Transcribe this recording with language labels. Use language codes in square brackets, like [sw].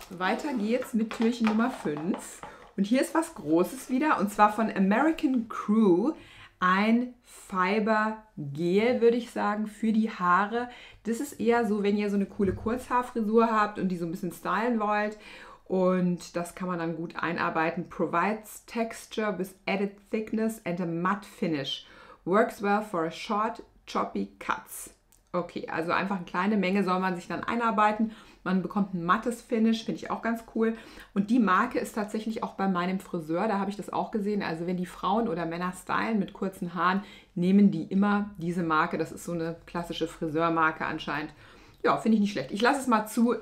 [de] Weiter geht's mit Türchen Nummer 5. Und hier ist was Großes wieder. Und zwar von American Crew. Ein Fiber-Gel, würde ich sagen, für die Haare. Das ist eher so, wenn ihr so eine coole Kurzhaarfrisur habt und die so ein bisschen stylen wollt. Und das kann man dann gut einarbeiten. [en] Provides texture with added thickness and a matte finish. Works well for a short, choppy cuts. [de] Okay, also einfach eine kleine Menge soll man sich dann einarbeiten. Man bekommt ein mattes Finish, finde ich auch ganz cool. Und die Marke ist tatsächlich auch bei meinem Friseur, da habe ich das auch gesehen. Also wenn die Frauen oder Männer stylen mit kurzen Haaren, nehmen die immer diese Marke. Das ist so eine klassische Friseurmarke anscheinend. Ja, finde ich nicht schlecht. Ich lasse es mal zu.